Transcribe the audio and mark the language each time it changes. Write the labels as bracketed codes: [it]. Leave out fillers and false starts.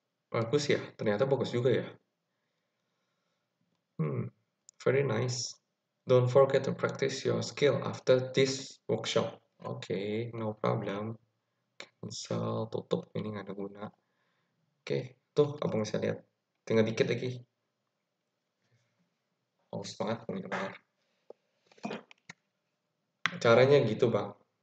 [id] Bagus ya, ternyata bagus juga ya. [en] Very nice. Don't forget to practice your skill after this workshop. Okay, no problem. [id] Cancel, tutup, ini nggak ada guna. Okay, tuh abang bisa lihat. Tinggal dikit lagi. Oh, semangat, benar-benar. Caranya gitu, Bang.